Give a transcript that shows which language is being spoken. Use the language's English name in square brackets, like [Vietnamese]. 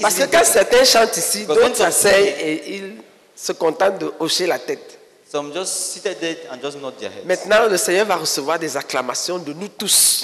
[French] parce que quand certains chantent ici, d'autres s'asseyent et ils se contentent de hocher la tête. [English] Some just seated there and just nod their heads. [French] Maintenant, le Seigneur va recevoir des acclamations de nous tous.